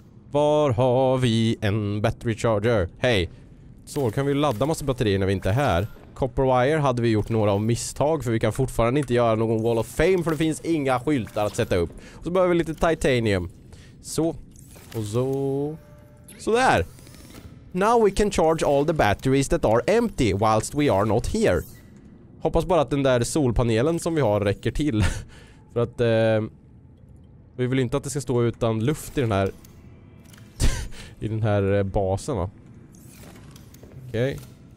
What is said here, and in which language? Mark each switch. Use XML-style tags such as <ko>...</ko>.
<sv>Var har vi en battery charger? Hej. Så kan vi ladda massa batterier när vi inte är här. Copper wire hade vi gjort några av misstag, för vi kan fortfarande inte göra någon wall of fame, för det finns inga skyltar att sätta upp. Och så behöver vi lite titanium. Så. Och så. Så där.</sv> <en>Now we can charge all the batteries that are empty whilst we are not here.</en> <sv>Hoppas bara att den där solpanelen som vi har räcker till. För att vi vill inte att det ska stå utan luft i den här i den här basen, va. Okej. Okay.</sv>